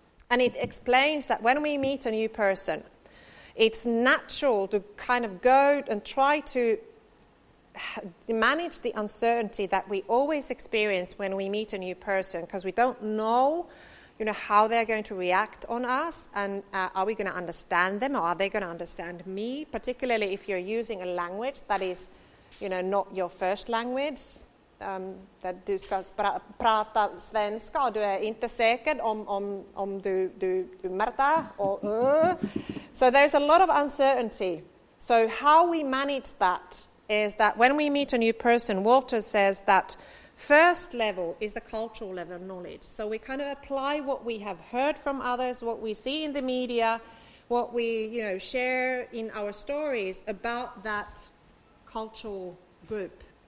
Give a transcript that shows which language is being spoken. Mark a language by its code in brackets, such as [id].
[en] And it explains that when we meet a new person, it's natural to kind of go and try to manage the uncertainty that we always experience when we meet a new person, because we don't know, you know, how they're going to react on us, and are we going to understand them, or are they going to understand me, particularly if you're using a language that is, you know, not your first language. [sv] där du ska prata svenska och du är inte säker om du ummärtar. [en] So there's a lot of uncertainty. So how we manage that is that when we meet a new person, Walter says that first level is the cultural level of knowledge. So we kind of apply what we have heard from others, what we see in the media, what we, you know, share in our stories about that cultural group.